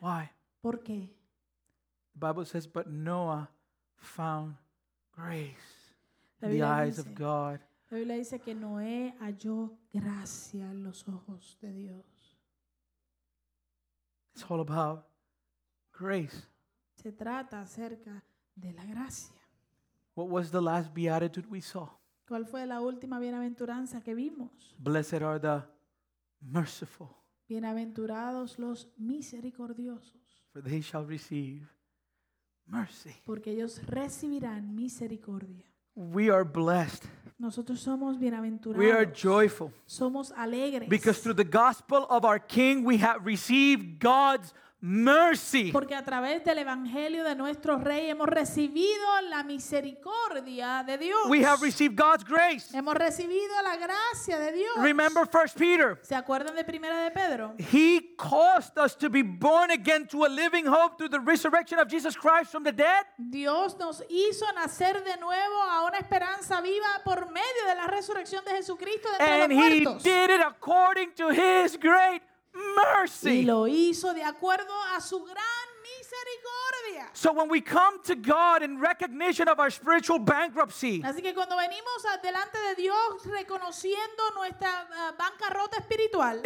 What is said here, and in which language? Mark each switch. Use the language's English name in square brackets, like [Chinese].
[English] Why? [Spanish] ¿Por qué? [English] The Bible says, but Noah found grace in the eyes of God. [Spanish] La Biblia dice que Noé halló gracia en los ojos de Dios. [English] It's all about grace. [Spanish] Se trata acerca de la gracia. [English] What was the last beatitude we saw? [Spanish] ¿Cuál fue la última bienaventuranza que vimos? [English] Blessed are the merciful. [Spanish] Bienaventurados los misericordiosos. [English] For they shall receive mercy. [Spanish] Porque ellos recibirán misericordia. [English] We are blessed. [Spanish] Nosotros somos bienaventurados. [English] We are joyful. [Spanish] Somos alegres. [English] Because through the gospel of our King we have received God's mercy. [Spanish] Porque a través del evangelio de nuestro rey hemos recibido la misericordia de Dios. [English] We have received God's grace. [Spanish] Hemos recibido la gracia de Dios. [English] Remember 1 Peter. [Spanish] ¿Se acuerdan de Primera de Pedro? [English] He caused us to be born again to a living hope through the resurrection of Jesus Christ from the dead. [Spanish] Dios nos hizo nacer de nuevo a una esperanza viva por medio de la resurrección de Jesucristo de entre los muertos. [English] And he did it according to his great mercy. [Spanish] Y lo hizo de acuerdo a su gran misericordia. [English] So when we come to God in recognition of our spiritual bankruptcy. [Spanish] Así que cuando venimos delante de Dios reconociendo nuestra bancarrota espiritual.